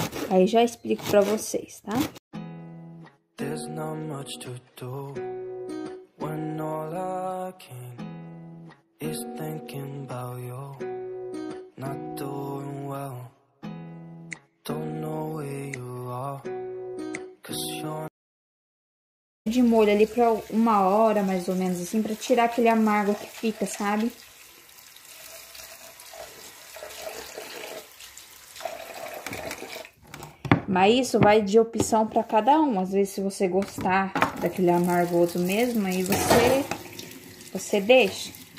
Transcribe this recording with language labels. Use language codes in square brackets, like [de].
[pt] Aí já explico pra vocês, tá? [en] There's not much to do when all I can is thinking about you. Not doing well, don't know where you are, cause you're... [pt] De molho ali pra uma hora, mais ou menos assim, pra tirar aquele amargo que fica, sabe? Mas isso vai de opção para cada um. Às vezes, se você gostar daquele amargoso mesmo, aí você deixa.